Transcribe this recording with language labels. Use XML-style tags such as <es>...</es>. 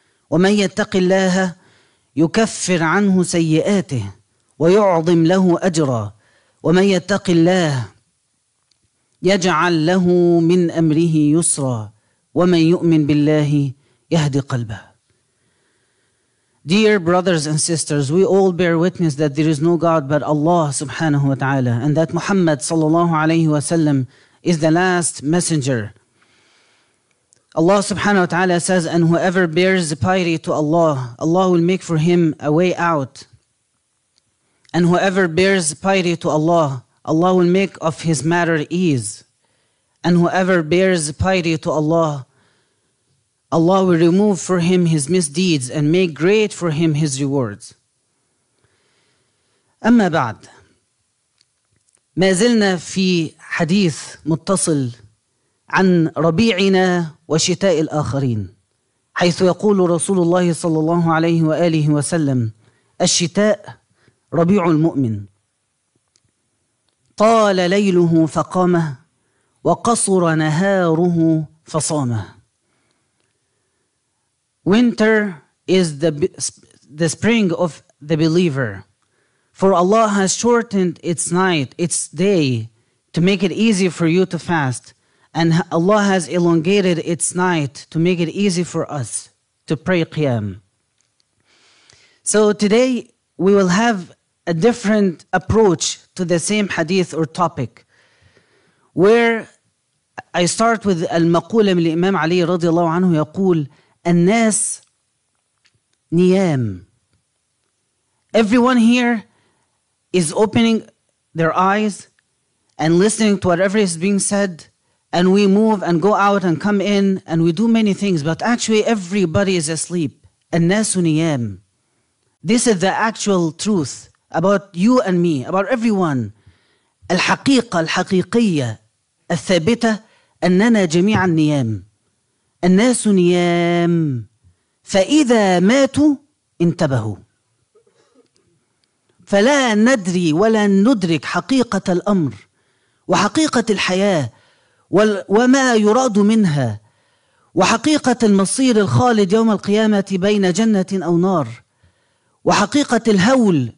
<ar>ومن يتق الله يكفر عنه سيئاته ويعظم له أجرا. ومن يتق الله يجعل له من أمره يسرا، ومن يؤمن بالله يهدي قلبه.</ar> <en>Dear brothers and sisters, we all bear witness that there is no God but Allah subhanahu wa ta'ala, and that Muhammad sallallahu alayhi wa sallam is the last messenger. Allah subhanahu wa ta'ala says, and whoever bears piety to Allah, Allah will make for him a way out. And whoever bears piety to Allah, Allah will make of his matter ease. And whoever bears piety to Allah, Allah will remove for him his misdeeds and make great for him his rewards.</en> <ar>أما بعد، ما زلنا في حديث متصل عن ربيعنا وشتاء الآخرين، حيث يقول رسول الله صلى الله عليه وآله وسلم: الشتاء ربيع المؤمن، طال ليله فقامه، وقصر نهاره فصامه.</ar> <en>Winter is the spring of the believer, for Allah has shortened its night, its day, to make it easy for you to fast, and Allah has elongated its night to make it easy for us to pray Qiyam. So today we will have a different approach to the same hadith or topic, where I start with</en> <ar>المقولة من الإمام علي رضي الله عنه يقول: الناس نيام.</ar> <en>Everyone here is opening their eyes and listening to whatever is being said, and we move and go out and come in and we do many things, but actually everybody is asleep.</en> <ar>الناس نيام.</ar> <en>This is the actual truth about you and me, about everyone.</en> <ar>الحقيقة الحقيقية الثابتة أننا جميعا نيام. الناس نيام، فإذا ماتوا انتبهوا. فلا ندري ولا ندرك حقيقة الأمر وحقيقة الحياة وما يراد منها وحقيقة المصير الخالد يوم القيامة بين جنة أو نار وحقيقة الهول.</ar>